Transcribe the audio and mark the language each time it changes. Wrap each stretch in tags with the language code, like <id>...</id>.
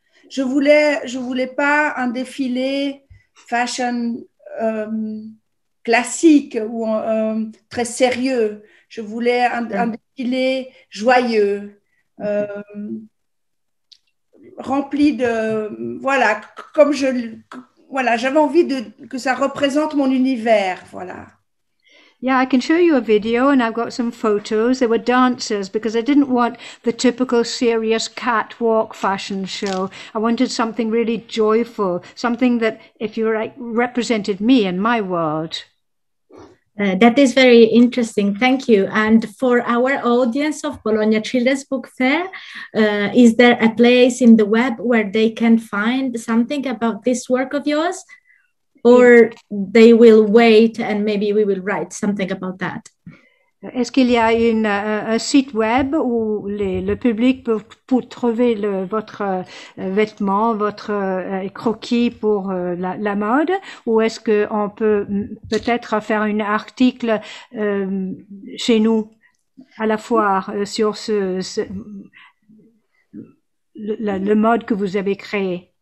<fr>Je voulais pas un défilé fashion classique ou très sérieux. Je voulais un défilé joyeux. Rempli de. Voilà, comme je. Voilà, j'avais envie que ça représente mon univers, voilà.</fr> <en>Yeah, I can show you a video and I've got some photos. They were dancers because I didn't want the typical serious catwalk fashion show. I wanted something really joyful, something that, if you like, represented me and my world. That is very interesting. Thank you. And for our audience of Bologna Children's Book Fair, is there a place in the web where they can find something about this work of yours? Or they will wait and maybe we will write something about that?</en> <fr>Est-ce qu'il y a un site web où le public peut trouver votre vêtement, votre croquis pour la mode, ou est-ce qu'on peut-être faire un article chez nous à la foire sur le mode que vous avez créé?</fr>